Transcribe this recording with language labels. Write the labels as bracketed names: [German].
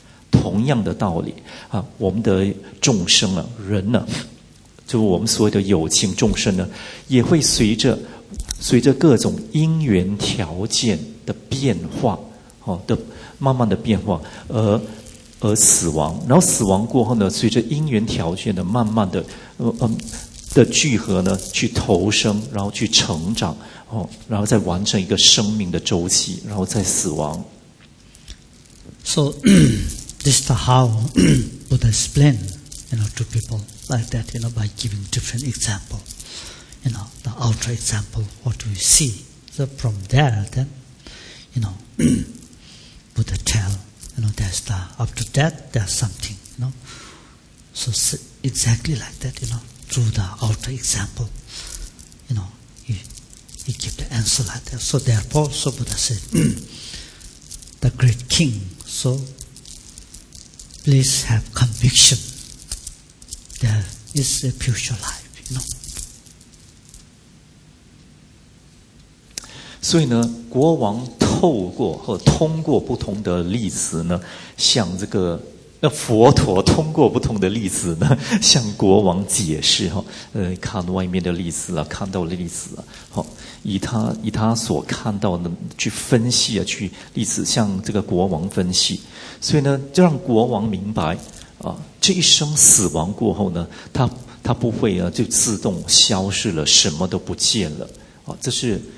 [Chinese] 同样的道理啊，我们的众生啊，人呢、啊，就我们所有的有情众生呢，也会随着各种因缘条件的变化，的慢慢的变化而死亡，然后死亡过后呢，随着因缘条件的慢慢的的聚合呢，去投生，然后去成长，然后再完成一个生命的周期，然后再死亡。 [English] So this is how Buddha explain, you know, to people like that, you know, by giving different example. You know, the outer example, what we see. So from there, then, you know, Buddha tell, you know, there's the, after that, there's something, you know. So exactly like that, you know, through the outer example, you know, he give the answer like that. So therefore, so Buddha said, the great king, so please have conviction. There is a future life, you know. [Chinese] 所以呢，国王透过和通过不同的例子呢，向这个那佛陀通过不同的例子呢，向国王解释哈，看外面的例子啊，看到的例子啊，好，以他所看到的去分析啊，去例子向这个国王分析，所以呢，就让国王明白啊，这一生死亡过后呢，他不会啊就自动消失了，什么都不见了啊，这是。